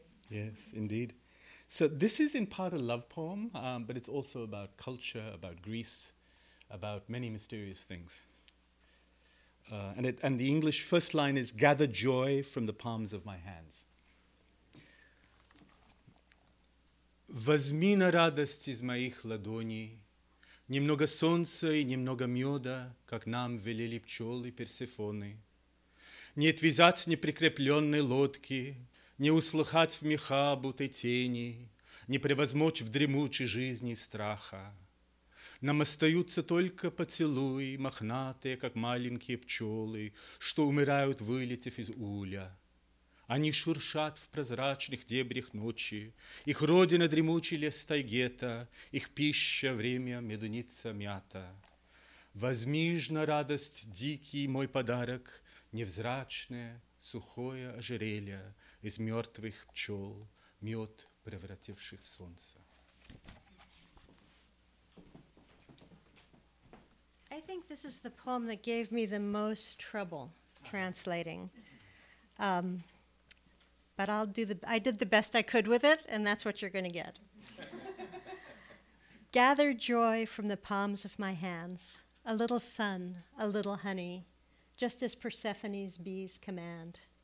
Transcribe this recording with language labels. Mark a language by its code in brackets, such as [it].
[en] Yes, indeed. So this is in part a love poem, but it's also about culture, about Greece, about many mysterious things. And the English first line is, gather joy from the palms of my hands. [ru] Возьми на радость из моих ладоней немного солнца и немного меда, как нам велели пчелы Персефоны. Не отвязать неприкрепленной лодки, не услыхать в меха будто тени, не превозмочь в дремучей жизни страха. Нам остаются только поцелуи, мохнатые, как маленькие пчелы, что умирают, вылетев из уля. Они шуршат в прозрачных дебрях ночи, их родина дремучий лес тайгета, их пища, время, медуница, мята. Возьми ж на радость дикий мой подарок, невзрачное, сухое ожерелье, из мертвых пчел, мед, превративших в солнце. [en] I think this is the poem that gave me the most trouble translating. But I did the best I could with it, and that's what you're gonna get. Gather joy from the palms of my hands, a little sun, a little honey, just as Persephone's bees command.